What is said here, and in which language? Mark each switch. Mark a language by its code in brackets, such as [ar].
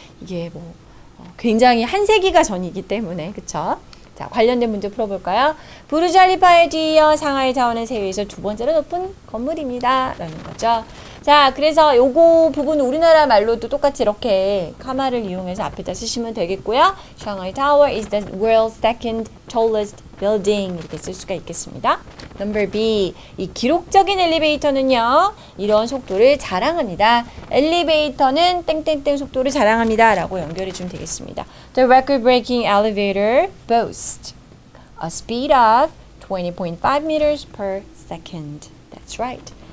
[ko] 이게 뭐 굉장히 한 세기가 전이기 때문에, 그쵸? 자, 관련된 문제 풀어볼까요? 부르즈 칼리파에 뒤이어 상하이 타워는 세계에서 두 번째로 높은 건물입니다. 라는 거죠. 자, 그래서 요거 부분 우리나라 말로도 똑같이 이렇게 카마를 이용해서 앞에다 쓰시면 되겠고요. [en] 상하이 타워 is the world's second tallest building. [ko] 이렇게 쓸 수가 있겠습니다. [en] Number B. [ko] 이 기록적인 엘리베이터는요. 이런 속도를 자랑합니다. 엘리베이터는 땡땡땡 속도를 자랑합니다. 라고 연결해 주면 되겠습니다. [en] The record-breaking elevator boasts a speed of 20.5 meters per second. That's right.